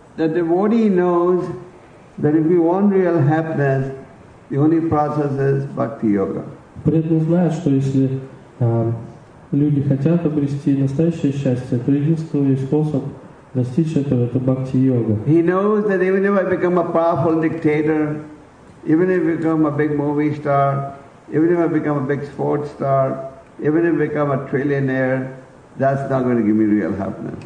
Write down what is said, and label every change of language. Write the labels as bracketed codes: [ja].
[en] The devotee knows that if we want real happiness, the only process is bhakti yoga. [ru] Преданный знает, что если люди хотят обрести настоящее счастье, то единственный способ достичь этого — это бхакти йога. [en] He knows that even if I become a powerful dictator, even if I become a big movie star, even if I become a big sports star, even if I become a trillionaire, that's not going to give me real happiness.